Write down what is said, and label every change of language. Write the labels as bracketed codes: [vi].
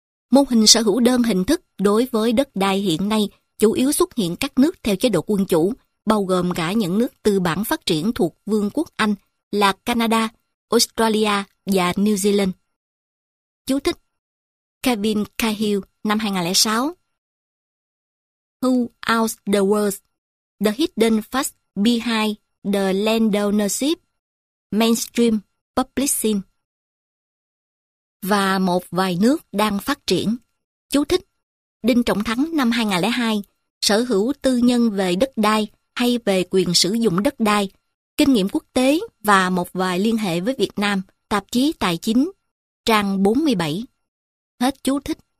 [vi] Mô hình sở hữu đơn hình thức đối với đất đai hiện nay chủ yếu xuất hiện các nước theo chế độ quân chủ, bao gồm cả những nước tư bản phát triển thuộc Vương quốc Anh là Canada, Australia và New Zealand. Chú thích: Kevin Cahill, năm 2006. [en] Who Owns the World? The Hidden Fact Behind the Landownership, Mainstream Publishing. [vi] Và một vài nước đang phát triển. Chú thích: Đinh Trọng Thắng, năm 2002, Sở hữu tư nhân về đất đai hay về quyền sử dụng đất đai, Kinh nghiệm quốc tế và một vài liên hệ với Việt Nam, Tạp chí Tài chính, trang 47. Hết chú thích.